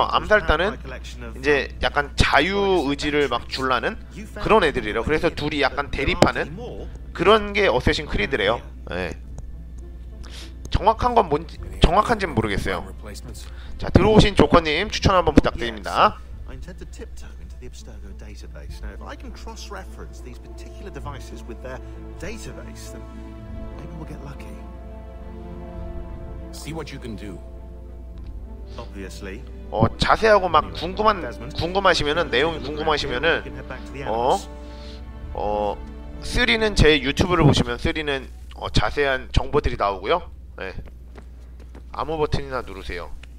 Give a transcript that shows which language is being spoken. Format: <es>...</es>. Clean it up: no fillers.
<ko>암살단은 이제 약간 자유 의지를 막 줄라는 그런 애들이라 그래서 둘이 약간 대립하는 그런 게 어쌔신 크리드래요. 예. 정확한 건 뭔지 정확한지는 모르겠어요. 자, 들어오신 조커님 추천 한번 부탁드립니다.</ko> <en>The Abstergo database. Now, if I can cross-reference these particular devices with their database, then maybe we'll get lucky. See what you can do. Obviously.</en> <ko>자세하고 막 궁금하시면은 내용이 궁금하시면은 3는 제 유튜브를 보시면 3는 자세한 정보들이 나오고요. 네. 아무 버튼이나 누르세요.</ko>